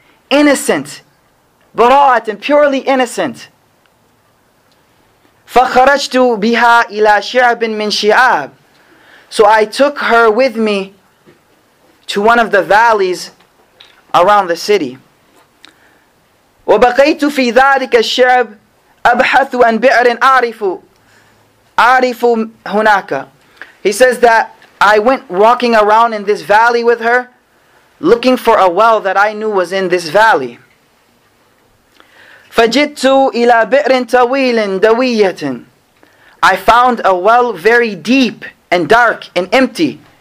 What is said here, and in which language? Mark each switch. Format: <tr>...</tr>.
<en>Innocent, bara'at, and purely innocent.</en> <ar>فَخَرَجْتُ بِهَا إِلَى شِعْبٍ مِّن شِعَابٍ.</ar> <en>So I took her with me to one of the valleys around the city.</en> <ar>وَبَقَيْتُ فِي ذَلِكَ الشِّعْبِ أَبْحَثُ عَن بِئْرٍ أَعْرِفُ هُنَاكَ.</ar> <en>He says that I went walking around in this valley with her, looking for a well that I knew was in this valley.</en> <ar>فَجِدْتُ إِلَى بِئْرٍ تَوِيلٍ دَوِيَّةٍ.</ar> <en>I found a well very deep and dark and empty.</en>